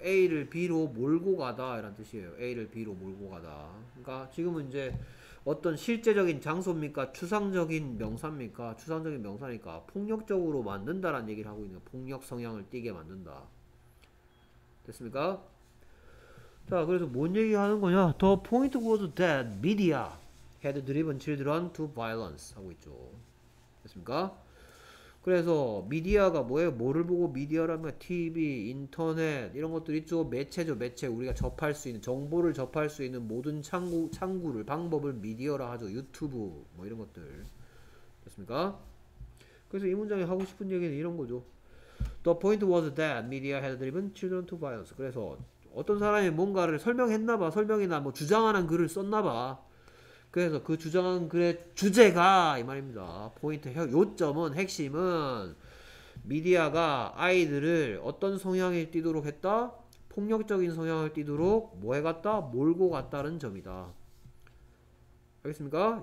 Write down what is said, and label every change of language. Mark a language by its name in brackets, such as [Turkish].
[Korean] A를 B로 몰고 가다 이란 뜻이에요. A를 B로 몰고 가다. 그러니까 지금은 이제 어떤 실제적인 장소입니까? 추상적인 명사입니까? 추상적인 명사니까 폭력적으로 만든다라는 얘기를 하고 있는 거예요. 폭력 성향을 띠게 만든다. 됐습니까? 자, 그래서 뭔 얘기 하는 거냐? [English] The point was that media had driven children to violence [Korean] 하고 있죠. 됐습니까? 그래서 미디어가 뭐예요? 뭐를 보고 미디어라면 TV, 인터넷 이런 것들 있죠. 매체죠. 매체. 우리가 접할 수 있는 정보를 접할 수 있는 모든 창구를 방법을 미디어라 하죠. 유튜브 뭐 이런 것들. 됐습니까? 그래서 이 문장이 하고 싶은 얘기는 이런 거죠. [English] The point was that media had driven children to violence. [Korean] 그래서 어떤 사람이 뭔가를 설명했나 봐. 설명이나 뭐 주장하는 글을 썼나 봐. 그래서 그 주장한 글의 주제가 이 말입니다. 포인트, 요점은, 핵심은 미디어가 아이들을 어떤 성향을 띠도록 했다? 폭력적인 성향을 띠도록 뭐 해갔다? 몰고 갔다는 점이다. 알겠습니까?